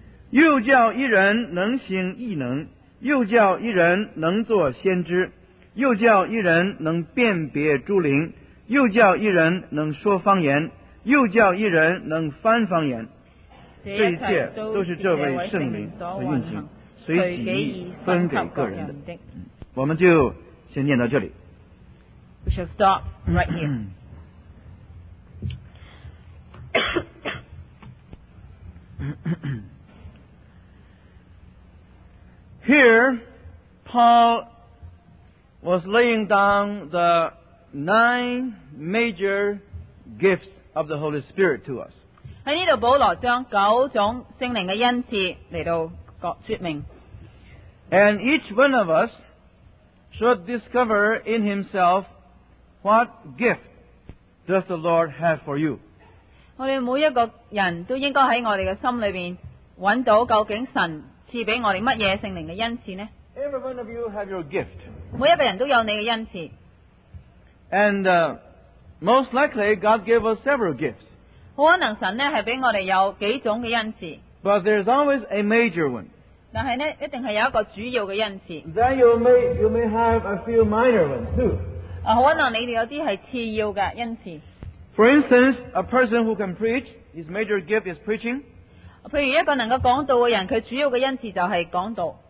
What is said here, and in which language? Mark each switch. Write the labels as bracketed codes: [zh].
[zh] 又叫一人能行异能，又叫一人能做先知，又叫一人能辨别诸灵，又叫一人能说方言，又叫一人能翻方言。这一切都是这位圣灵的运行，随己意分给个人的。我们就先念到这里。 [en] We shall stop right here. 。Here, Paul was laying down the nine major gifts of the Holy Spirit to us. [zh] 在这里保罗将九种圣灵的恩赐来到说明。 [en] And each one of us should discover in himself what gift does the Lord have for you. [zh] 我们每一个人都应该在我们的心里面找到究竟神赐给我们什么圣灵的恩赐呢？ [en] Every one of you have your gift. [zh] 每一个人都有你的恩赐。 [en] And most likely, God gave us several gifts. [zh] 可能神呢是给我们有几种的恩赐。 [en] But there's always a major one. [zh] 但是呢一定是有一个主要的恩赐。 [en] Then you may have a few minor ones too. [zh] 可能你们有些是次要的恩赐。 [en] For instance, a person who can preach, his major gift is preaching. [zh] 譬如一个能够讲道的人，他主要的恩赐就是讲道。